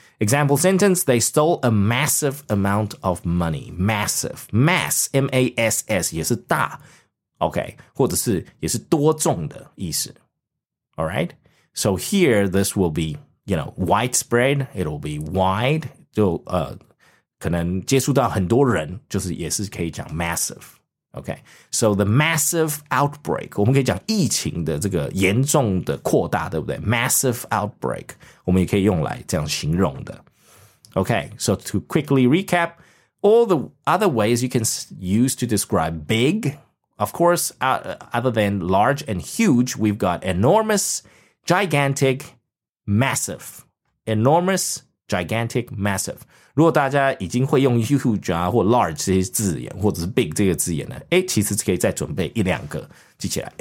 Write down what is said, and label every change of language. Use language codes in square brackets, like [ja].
[en] Example sentence, they stole a massive amount of money. Massive. Mass, M-A-S-S, [zh] 也是大。 [en] Okay? [zh] 或者是也是多重的意思。 [en] All right, so here this will be, you know, widespread. It'll be wide. [zh] 就可能接触到很多人，就是也是可以讲 massive. [en] Okay, so the massive outbreak. [zh] 我们可以讲疫情的这个严重的扩大，对不对？ [en] Massive outbreak. [zh] 我们也可以用来这样形容的。 [en] Okay, so to quickly recap, all the other ways you can use to describe big. Of course, other than large and huge, we've got enormous, gigantic, massive. Enormous, gigantic, massive. [zh] 如果大家已经会用 huge 啊或 large 这些字眼，或者是 big 这个字眼呢，诶，其实可以再准备一两个记起来。